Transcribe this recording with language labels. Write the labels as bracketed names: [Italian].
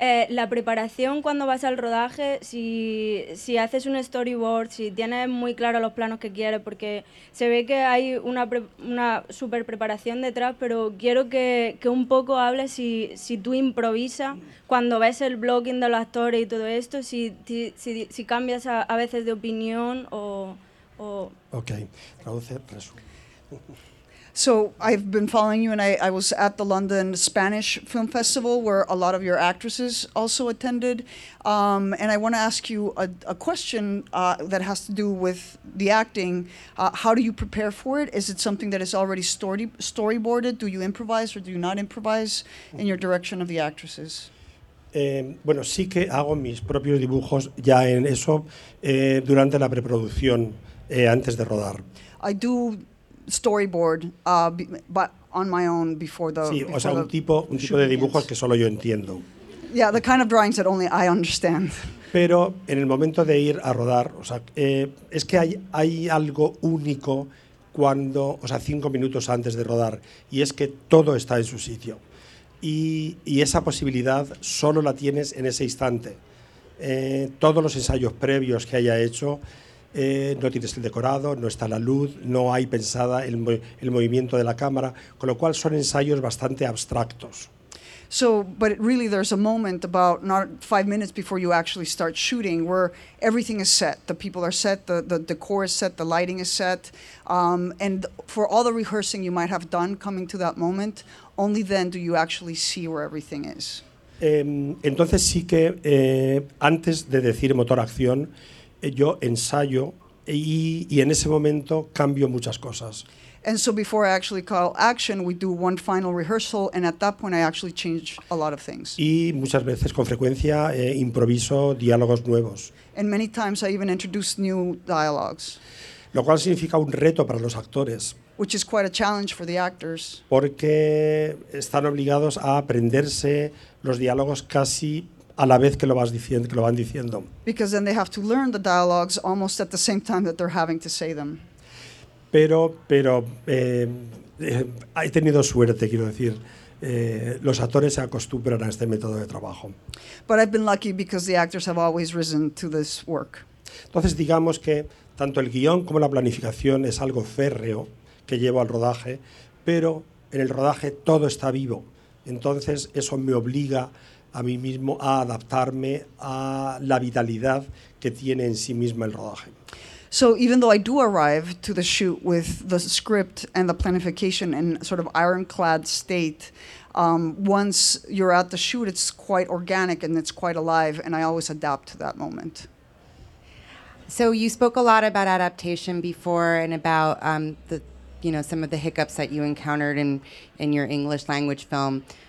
[Spanish] la preparación cuando vas al rodaje, si haces un storyboard, si tienes muy claro los planos que quieres, porque se ve que hay una super preparación detrás, pero quiero que un poco hables si tú improvisas cuando ves el blocking de los actores y todo esto, si cambias a veces de opinión o... Ok, traduce, resume. [English] So I've been following you, and I was at the London Spanish Film Festival, where a lot of your actresses also attended. And I want to ask you a question that has to do with the acting. How do you prepare for it? Is it something that is already storyboarded? Do you improvise or do you not improvise in your direction of the actresses? [Spanish] Bueno, sí que hago mis propios dibujos ya en eso durante la preproducción, antes de rodar. [English] I do... storyboard, but on my own before the... [Spanish] Sí, o sea, un tipo de dibujos que solo yo entiendo. [English] Yeah, the kind of drawings that only I understand. [Spanish] Pero en el momento de ir a rodar, o sea, es que hay algo único cuando, o sea, 5 minutos antes de rodar, y es que todo está en su sitio. Y esa posibilidad solo la tienes en ese instante. Todos los ensayos previos que haya hecho... no tienes el decorado, no está la luz, no hay pensada el movimiento de la cámara, con lo cual son ensayos bastante abstractos. [English] So, but really there's a moment about not 5 minutes before you actually start shooting where everything is set, the people are set, the decor is set, the lighting is set, and for all the rehearsing you might have done coming to that moment, only then do you actually see where everything is. [Spanish] Entonces sí que antes de decir motor acción, yo ensayo y en ese momento cambio muchas cosas. [English] And so before I actually call action, we do one final rehearsal, and at that point I actually change a lot of things. [Spanish] Y muchas veces, con frecuencia, improviso diálogos nuevos. [English] And many times I even introduce new dialogues. [Spanish] Lo cual significa un reto para los actores. [English] Which is quite a challenge for the actors. [Spanish] Porque están obligados a aprenderse los diálogos casi a la vez que lo vas diciendo, que lo van diciendo. [English] Because then they have to learn the dialogues almost at the same time that they're having to say them. [Spanish] Pero he tenido suerte, quiero decir. Los actores se acostumbran a este método de trabajo. [English] But I've been lucky because the actors have always risen to this work. [Spanish] Entonces digamos que tanto el guión como la planificación es algo férreo que llevo al rodaje, pero en el rodaje todo está vivo. Entonces eso me obliga a mí mismo a adaptarme a la vitalidad que tiene en sí misma el rodaje. [English] So even though I do arrive to the shoot with the script and the planification in sort of ironclad state, once you're at the shoot, it's quite organic and it's quite alive, and I always adapt to that moment. So you spoke a lot about adaptation before and about some of the hiccups that you encountered in your English language film.